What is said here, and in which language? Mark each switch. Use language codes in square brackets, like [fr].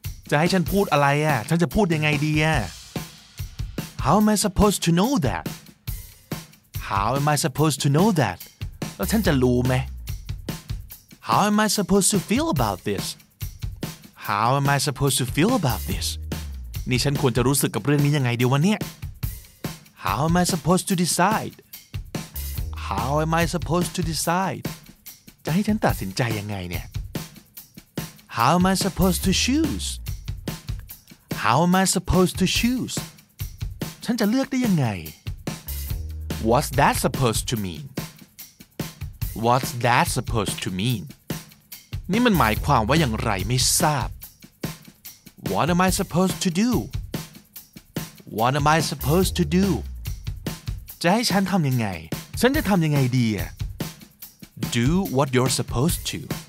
[th] จะให้ฉันพูดอะไรอ่ะฉันจะพูดยังไงดีอ่ะ [en] How am I supposed to know that? How am I supposed to know that? [th] แล้วฉันจะรู้ไหม [en] How am I supposed to feel about this? How am I supposed to feel about this? [th] นี่ฉันควรจะรู้สึกกับเรื่องนี้ยังไงดีวันเนี้ย [en] How am I supposed to decide? How am I supposed to decide? [th] จะให้ฉันตัดสินใจยังไงเนี่ย [en] How am I supposed to choose? How am I supposed to choose? ฉ [th] ฉันจะเลือกได้ยังไง [en] What's that supposed to mean? What's that supposed to mean? [th] นี่มันหมายความว่าอย่างไรไม่ทราบ [en] What am I supposed to do? What am I supposed to do? [th] จะให้ฉันทำยังไงฉันจะทำยังไงดี [en] Do what you're supposed to.